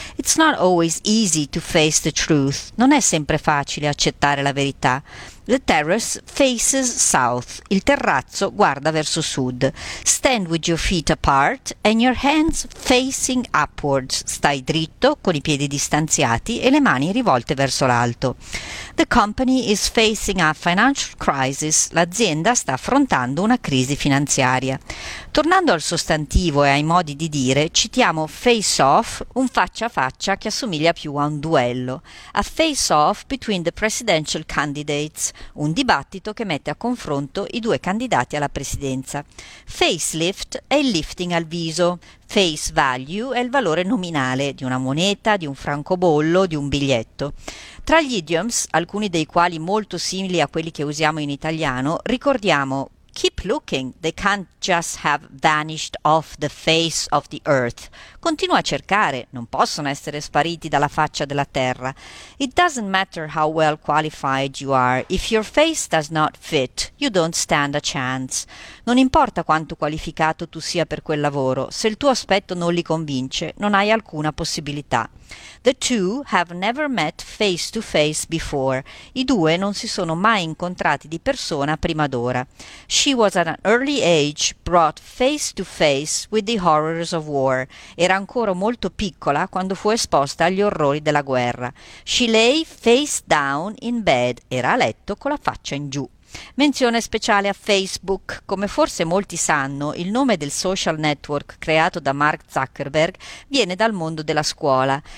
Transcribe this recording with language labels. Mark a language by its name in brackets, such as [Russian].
[English] It's not always easy to face the truth. [Italian] Non è sempre facile accettare la verità. [English] The terrace faces south. [Italian] Il terrazzo guarda verso sud. [English] Stand with your feet apart and your hands facing upwards. [Italian] Stai dritto, con i piedi distanziati e le mani rivolte verso l'alto. [English] The company is facing a financial crisis. [Italian] L'azienda sta affrontando una crisi finanziaria. Tornando al sostantivo e ai modi di dire, citiamo face off, un faccia a faccia che assomiglia più a un duello. [English] A face off between the presidential candidates. [Italian] Un dibattito che mette a confronto i due candidati alla presidenza. Facelift è il lifting al viso. Face value è il valore nominale di una moneta, di un francobollo, di un biglietto. Tra gli idioms, alcuni dei quali molto simili a quelli che usiamo in italiano, ricordiamo [English] keep looking, they can't just have vanished off the face of the earth. [Italian] Continua a cercare, non possono essere spariti dalla faccia della terra. [English] It doesn't matter how well qualified you are, if your face does not fit, you don't stand a chance. [Italian] Non importa quanto qualificato tu sia per quel lavoro, se il tuo aspetto non li convince, non hai alcuna possibilità. [English] The two have never met face to face before. [Italian] I due non si sono mai incontrati di persona prima d'ora. [English] She was at an early age brought face to face with the horrors of war. [Italian] Era ancora molto piccola quando fu esposta agli orrori della guerra. [English] She lay face down in bed. [Italian] Era a letto con la faccia in giù. Menzione speciale a Facebook. Come forse molti sanno, il nome del social network creato da Mark Zuckerberg viene dal mondo della scuola.